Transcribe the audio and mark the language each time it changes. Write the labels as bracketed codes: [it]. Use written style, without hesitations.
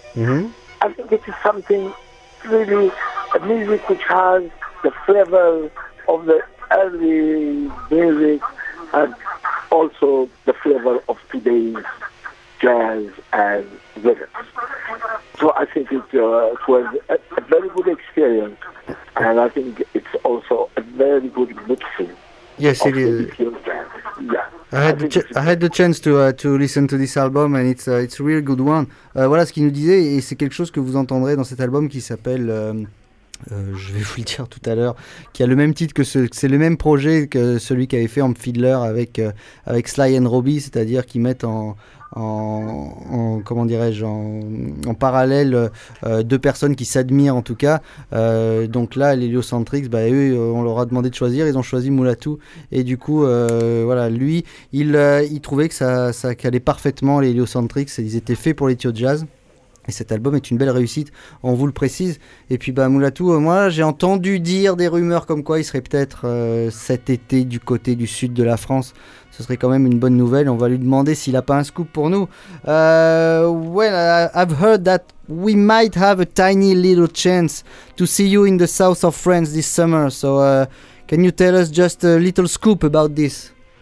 [en] I think it is something really, a music which has the flavor of the early music and also the flavor of today's jazz and rhythms. So I think it was a very good experience. And I think it's also a very good mixing. Yes, it is. I had the chance to listen to this album and it's a really good one. [fr] Voilà ce qu'il nous disait, et c'est quelque chose que vous entendrez dans cet album qui s'appelle je vais vous le dire tout à l'heure, qui a le même titre que c'est le même projet que celui qu'avait fait Amp Fiddler avec Sly and Robbie, c'est-à-dire qu'ils mettent en en parallèle deux personnes qui s'admirent en tout cas. Donc là, l'Héliocentrix, bah, eux, on leur a demandé de choisir, ils ont choisi Mulatu. Et du coup, voilà, lui, il trouvait que ça calait parfaitement l'Héliocentrix, ils étaient faits pour l'Ethio Jazz. Et cet album est une belle réussite, on vous le précise. Et puis bah, Mulatu, moi j'ai entendu dire des rumeurs comme quoi il serait peut-être cet été du côté du sud de la France. Ce serait quand même une bonne nouvelle, on va lui demander s'il n'a pas un scoop pour nous. [en] Well, I've heard that we might have a tiny little chance to see you in the south of France this summer. So can you tell us just a little scoop about this?